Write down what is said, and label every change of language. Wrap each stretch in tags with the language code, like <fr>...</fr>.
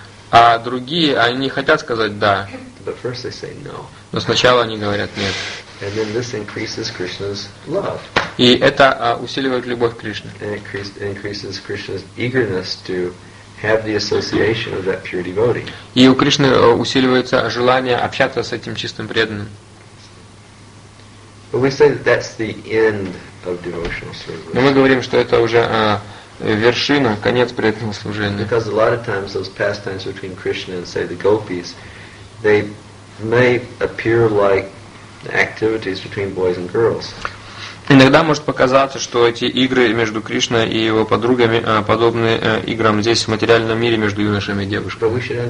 <ru>А другие, они хотят сказать «да».</ru> <en>But first they say no.</en> <ru>Но сначала они говорят «нет».</ru> <en>And then this increases Krishna's love.</en> <ru>И это усиливает любовь к Кришне.</ru> <en>And increases Krishna's eagerness to have the association of that pure devotee.</en> <ru>И у Кришны усиливается желание общаться с этим чистым преданным.</ru> <en>But we say that that's the end of devotional service.</en> <ru>Но мы говорим, что это уже вершина, конец преданного служения.</ru> <en>Because a lot of times those pastimes between Krishna and, say, the gopis, they may appear like the activities between boys and girls.</en> <ru>Иногда может показаться, что эти игры между Кришной и его подругами подобны играм здесь, в материальном мире, между юношами и девушками.</ru>